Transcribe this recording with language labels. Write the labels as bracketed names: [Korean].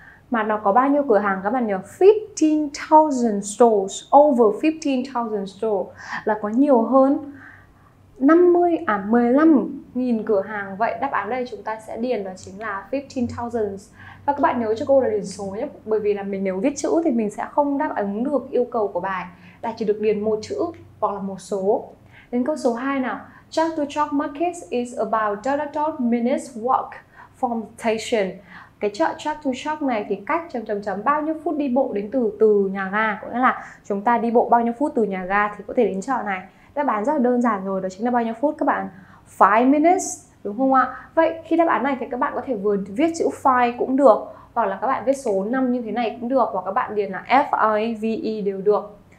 [Vietnamese] Mà nó có bao nhiêu cửa hàng các bạn nhớ? [English] 15,000 stores, over 15,000 stores [Vietnamese] là có nhiều hơn 15,000 cửa hàng. Vậy đáp án đây chúng ta sẽ điền đó chính là 15,000. Và các bạn nhớ cho cô là điền số nhé, bởi vì là mình nếu viết chữ thì mình sẽ không đáp ứng được yêu cầu của bài, là chỉ được điền một chữ hoặc là một số. Đến câu số 2 nào. [English] Truck to truck market is about 30 minutes walk from station. [Vietnamese] Cái chợ truck to truck này thì cách chấm chấm chấm bao nhiêu phút đi bộ đến từ nhà ga, có nghĩa là chúng ta đi bộ bao nhiêu phút từ nhà ga thì có thể đến chợ này. Đáp án rất là đơn giản rồi, đó chính là bao nhiêu phút các bạn? [English] 5 minutes, [Vietnamese] đúng không ạ? Vậy khi đáp án này thì các bạn có thể vừa viết chữ 5 cũng được, hoặc là các bạn viết số 5 như thế này cũng được, hoặc các bạn điền là F-I-V-E đều được.